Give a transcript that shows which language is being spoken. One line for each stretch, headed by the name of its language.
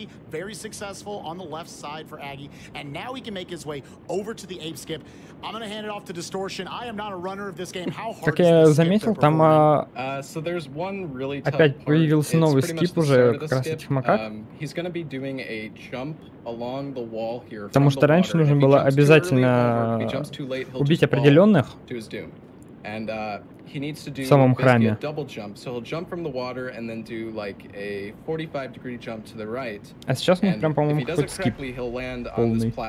English: Very successful on the left side for Aggie, and now he can make his way over to the ape skip. I'm gonna hand it off to Distortion. I am not a runner of this game. How hard?
Russian: Как я заметил, там опять появился новый скип уже как раз этих макак.
English: He's gonna be doing a jump along the wall here.
Russian: Потому что раньше нужно было обязательно убить определенных в самом храме. А сейчас он прям, по-моему, какой-то скип полный.